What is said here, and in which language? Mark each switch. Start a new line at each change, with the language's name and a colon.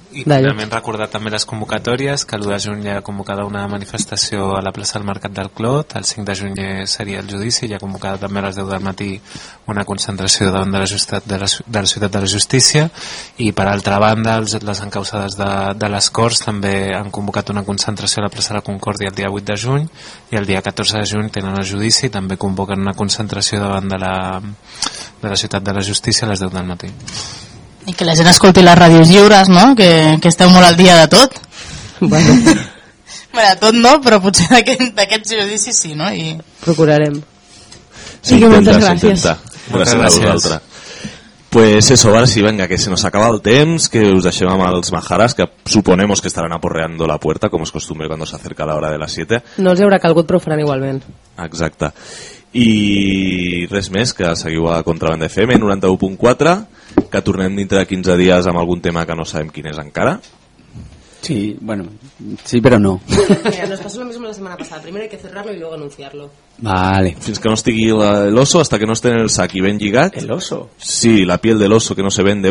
Catalan: I finalment recordar també les convocatòries, que l'1 de juny hi ha convocada una manifestació a la plaça del Mercat del Clot, el 5 de juny seria el judici, hi ha convocada també a les 10 del matí una concentració davant de la Ciutat de la Justícia, i per altra banda les encausades de les Corts també han convocat una concentració a la plaça de la Concòrdia el dia 8 de juny, i el dia 14 de juny tenen el judici i també convoquen una concentració davant de la Ciutat de la Justícia a les 10 del matí. I que la gent escolti les ràdios lliures, no? Que esteu molt al dia de tot. Bueno, de tot no, però potser d'aquests judicis sí, no? I... Procurarem. Sí, moltes gràcies. Gràcies a vosaltres.
Spanish: Pues eso, ahora sí, venga, que se nos acaba el temps, que os
Catalan: deixem amb els majaras,
Spanish: que suponemos que estarán aporreando la puerta, como es costumbre cuando se acerca la hora de las 7.
Catalan: No els haurà calgut, però ho faran igualment. Exacte. I res més, que seguiu a Contraband FM 91.4, que tornem dintre de 15 dies amb algun tema que no sabem quin és encara. Sí, bueno, sí, però no.
Spanish: Mira, nos pasó lo mismo la semana pasada. Primero hay que cerrarlo y luego anunciarlo. Vale.
Catalan: Fins que no estigui el oso,
Spanish: hasta que no esté en el saqui
Catalan: ben lligat.
Spanish: ¿El oso? Sí, la piel del oso que no se vende.